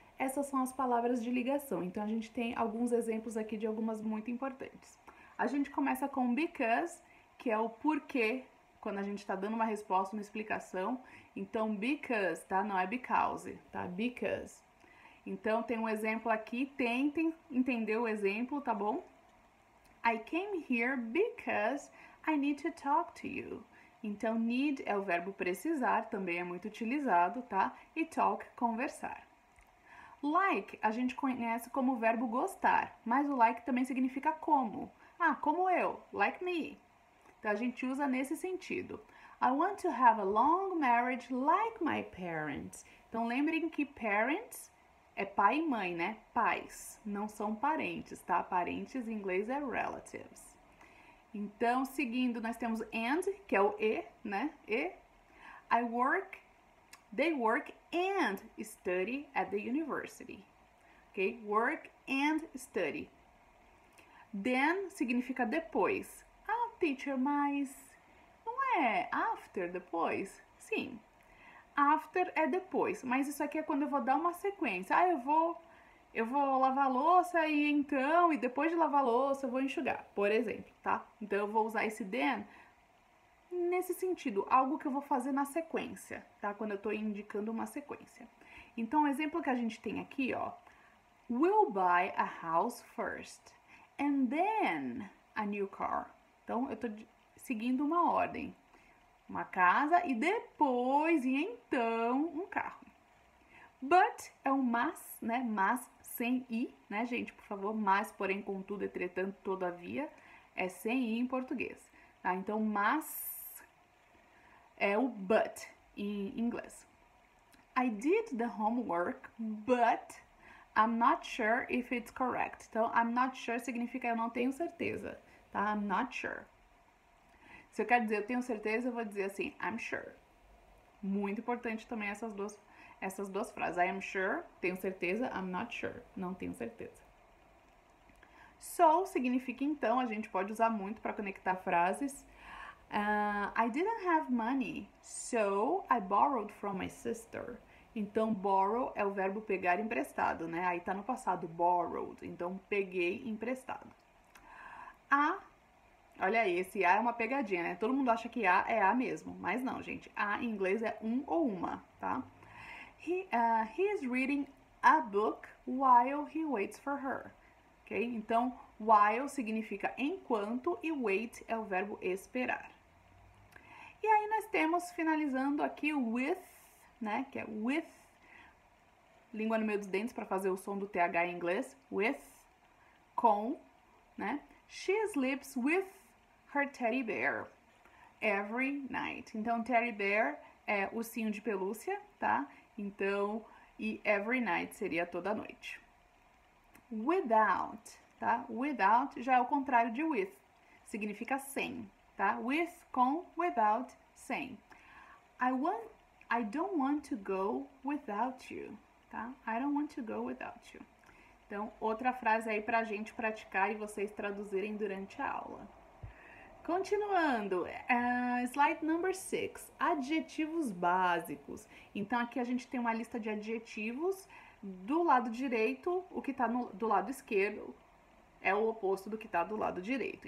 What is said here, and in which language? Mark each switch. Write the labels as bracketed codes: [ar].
[pt] Essas são as palavras de ligação. Então a gente tem alguns exemplos aqui de algumas muito importantes. A gente começa com because, que é o porquê, quando a gente está dando uma resposta, uma explicação. Então because, tá? Não é because, tá? Because. Então tem um exemplo aqui. Tentem entender o exemplo, tá bom? [en] I came here because I need to talk to you. [pt] Então, need é o verbo precisar, também é muito utilizado, tá? E talk, conversar. Like, a gente conhece como verbo gostar, mas o like também significa como. Ah, como eu, like me. Então, a gente usa nesse sentido. [en] I want to have a long marriage like my parents. [pt] Então, lembrem que parents é pai e mãe, né? Pais, não são parentes, tá? Parentes em inglês é relatives. Então, seguindo, nós temos and, que é o e, né? E. [en] I work, they work and study at the university. Ok? Work and study. Then [pt] significa depois. Ah, teacher, mas não é after, depois? Sim. After é depois, mas isso aqui é quando eu vou dar uma sequência. Ah, eu vou lavar a louça e então, e depois de lavar a louça, eu vou enxugar, por exemplo, tá? Então, eu vou usar esse then nesse sentido, algo que eu vou fazer na sequência, tá? Quando eu tô indicando uma sequência. Então, o exemplo que a gente tem aqui, ó. [en] We'll buy a house first and then a new car. [pt] Então, eu tô seguindo uma ordem. Uma casa e depois, e então, um carro. But é o mas, né? Mas sem i, né, gente? Por favor, mas, porém, contudo, entretanto, todavia, é sem i em português, tá? Então, mas é o but em inglês. [en] I did the homework, but I'm not sure if it's correct. [pt] Então, [en] I'm not sure [pt] significa eu não tenho certeza, tá? I'm not sure. Se eu quero dizer eu tenho certeza, eu vou dizer assim, I'm sure. Muito importante também essas duas frases. [en] I am sure, [pt] tenho certeza. [en] I'm not sure, [pt] não tenho certeza. So significa então, a gente pode usar muito para conectar frases. [en] I didn't have money, so I borrowed from my sister. [pt] Então, borrow é o verbo pegar emprestado, né? Aí tá no passado, borrowed. Então, peguei emprestado. Olha aí, esse A é uma pegadinha, né? Todo mundo acha que A é A mesmo, mas não, gente. A em inglês é um ou uma, tá? [en] He is reading a book while he waits for her. Ok? [pt] Então, while significa enquanto e wait é o verbo esperar. E aí nós temos, finalizando aqui, with, né? Que é with. Língua no meio dos dentes para fazer o som do TH em inglês. With. Com. Né? [en] She sleeps with her teddy bear every night. [pt] Então, teddy bear é ursinho de pelúcia, tá? Então, e every night seria toda noite. Without, tá? Without já é o contrário de with. Significa sem, tá? With, com, without, sem. [en] I don't want to go without you, tá? I don't want to go without you. [pt] Então, outra frase aí pra gente praticar e vocês traduzirem durante a aula. Continuando, slide number 6, adjetivos básicos. Então, aqui a gente tem uma lista de adjetivos. Do lado direito, o que está do lado esquerdo é o oposto do que está do lado direito.